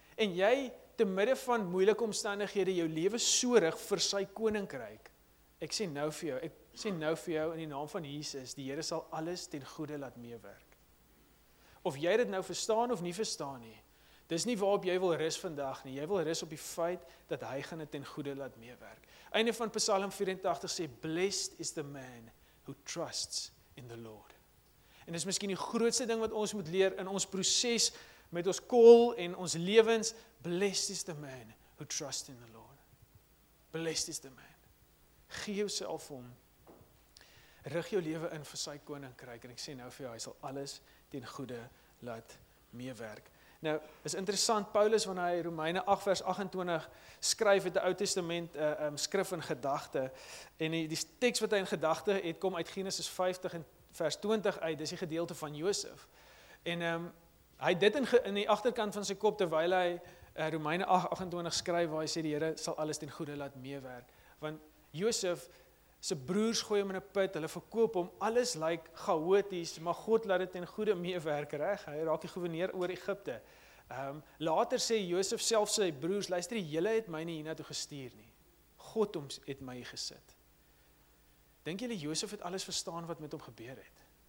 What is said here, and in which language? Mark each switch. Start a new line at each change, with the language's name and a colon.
Afrikaans: En jy te midde van moeilike omstandighede jou lewe so rig vir sy koninkryk. Ek sê nou vir jou in die naam van Jesus, die Here sal alles ten goede laat meewerk. Of jy dit nou verstaan of nie verstaan nie, dis nie waarop jy wil rus vandag nie. Jy wil rus op die feit dat hy gaan dit ten goede laat meewerk. Einde van Psalm 84 sê,
English: blessed is the man who trusts in the Lord.
Afrikaans: En dis miskien die grootste ding wat ons moet leer in ons proses met ons call en ons lewens.
English: Blessed is the man who trusts in the Lord. Blessed is the man.
Afrikaans: Gee jouself hom. Rig jou lewe in vir sy koninkryk. En ek sê nou vir jou, hy sal alles ten goede laat meewerk. Nou, is interessant, Paulus, wanneer hy Romeine 8 vers 28 skryf, het die Ou Testament skrif in gedachte. En die tekst wat hy in gedachte het, kom uit Genesis 50 en vers 20 uit, dis die gedeelte van Josef. En hy het dit in die achterkant van sy kop, terwyl hy Romeine 8:28 skryf, waar hy sê, die Here sal alles ten goede laat meewerk. Want Josef, sy broers gooi hom in 'n put, hulle verkoop hom, alles lyk chaoties, maar God laat dit ten goede meewerk, reg? Hy raak die goewerneur oor Egypte. Later sê Josef self sy broers, luister, julle het my nie hierna toe gestuur nie. God het my gesit. Denk julle, Josef het alles verstaan wat met hom gebeur het?